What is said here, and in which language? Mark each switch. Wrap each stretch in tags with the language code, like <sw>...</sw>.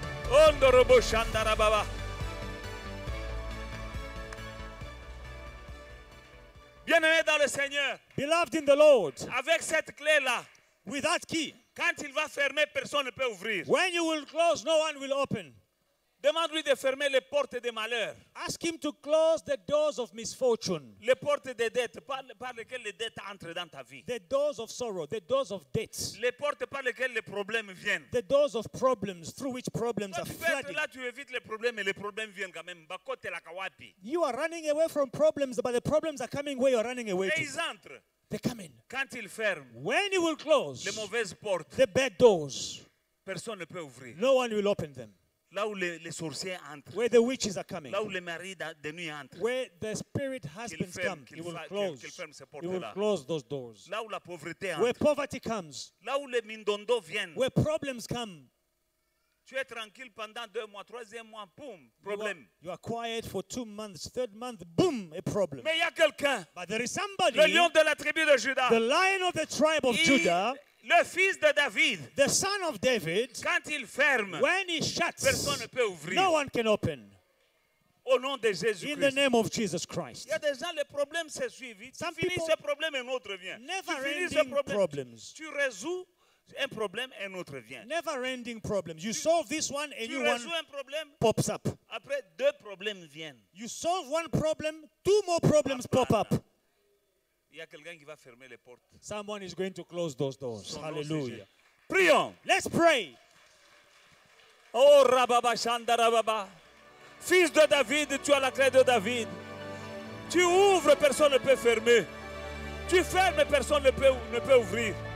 <fr>Ondoroboshandarababa. Bien-aimé dans le Seigneur.</fr> <en>Beloved in the Lord.</en> <fr>Avec cette clé là.</fr> <en>With that key.</en> <fr>Quand il va fermer, personne ne peut ouvrir.</fr> <en>When you will close, no one will open.</en> <fr>Demande-lui de fermer les portes de malheur.</fr> <en>Ask him to close the doors of misfortune.</en> <fr>Les portes de dette, par lesquelles les dettes entrent dans ta vie.</fr> <en>The doors of sorrow, the doors of debts.</en> <fr>Les portes par lesquelles les problèmes viennent.</fr> <en>The doors of problems, through which problems</en> <fr>quand</fr> <en>are flooding.</en> <fr>Tu fais là, tu évites les problèmes et les problèmes viennent quand même.</fr> <ln>Bakote la kawapi.</ln> <en>You are running away from problems, but the problems are coming where you are running away.</en> <fr>Et ils entrent.</fr> <en>They come in.</en> <fr>Quand ils ferment.</fr> <en>When you will close.</en> <fr>Les mauvaises portes.</fr> <en>The bad doors.</en> <fr>Personne ne peut ouvrir.</fr> <en>No one will open them.</en> <fr>Là où les sorciers entrent.</fr> <en>Where the witches are coming.</en> <fr>Là où les maris de nuit entrent.</fr> <en>Where the spirit husbands</en> <fr>ferme,</fr> <en>come. He will close.</en> <fr>Qu'il ferme ces portes-là.</fr> <en>He will close those doors.</en> <fr>Là où la pauvreté entre.</fr> <en>Where poverty comes.</en> <fr>Là où les mindondo viennent.</fr> <en>Where problems come.</en> <fr>Tu es tranquille pendant deux mois, troisième mois, boom, problème.</fr> <en>You are quiet for 2 months, third month, boom, a problem.</en> <fr>Mais il y a quelqu'un.</fr> <en>But there is somebody.</en> <fr>Le lion de la tribu de Juda.</fr> <en>The lion of the tribe of Judah.</en> <fr>Le fils de David,</fr> <en>the son of David,</en> <fr>quand il ferme,</fr> <en>when he shuts,</en> <fr>personne ne peut ouvrir.</fr> <en>No one can open.</en> <fr>Au nom de Jésus-Christ.</fr> <en>In the name of Jesus Christ.</en> <fr>Il y a des gens, les problèmes se suivent.</fr> <en>Some</en> <fr>tu finis ce problème et un autre vient.</fr> <en>Never</en> <fr>tu</fr> <en>ending problème, problems.</en> <fr>Tu résous un problème et un autre vient.</fr> <en>Never ending problems. You solve this one and</en> <fr>tu</fr> <en>new</en> <fr>résous</fr> <en>one</en> <fr>un problème,</fr> <en>pops up.</en> <fr>Après, deux problèmes viennent.</fr> <en>You solve one problem, two more problems pop up.</en> <fr>Il y a quelqu'un qui va fermer les portes.</fr> <en>Someone is going to close those doors. Hallelujah.</en> <fr>Prions.</fr> <en>Let's pray.</en> <fr>Oh Rababa Shandarababa. Fils de David, tu as la clé de David. Tu ouvres, personne ne peut fermer. Tu fermes, personne ne peut ouvrir.</fr>